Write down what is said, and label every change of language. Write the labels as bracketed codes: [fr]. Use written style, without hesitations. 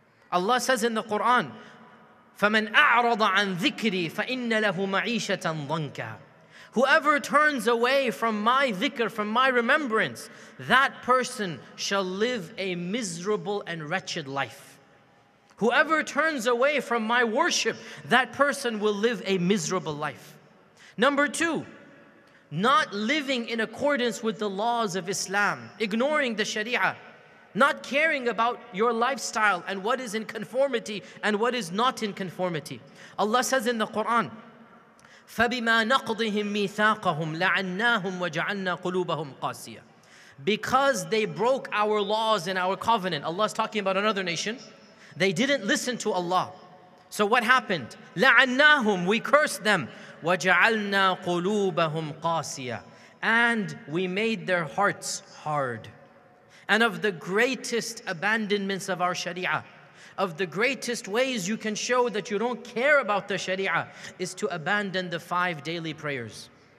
[en] Allah says in the Quran, [ar] فَمَنْ أَعْرَضَ عَنْ ذِكْرِي فَإِنَّ لَهُ مَعِيشَةً ضَنْكَ. [en] Whoever turns away from my dhikr, from my remembrance, that person shall live a miserable and wretched life. Whoever turns away from my worship, that person will live a miserable life. Number two, not living in accordance with the laws of Islam, ignoring the sharia, not caring about your lifestyle and what is in conformity and what is not in conformity. Allah says in the Quran, [ar] فَبِمَا نَقْضِهِمْ مِيثَاقَهُمْ لَعَنَّاهُمْ وَجَعَلْنَا قُلُوبَهُمْ قَاسِيَةً. [en] Because they broke our laws and our covenant. Allah is talking about another nation. They didn't listen to Allah. So what happened? [ar] لَعَنَّاهُمْ, [en] we cursed them. [ar] وَجَعَلْنَا قُلُوبَهُمْ قَاسِيَةً. [en] And we made their hearts hard. And of the greatest abandonments of our sharia, of the greatest ways you can show that you don't care about the sharia, is to abandon the 5 daily prayers.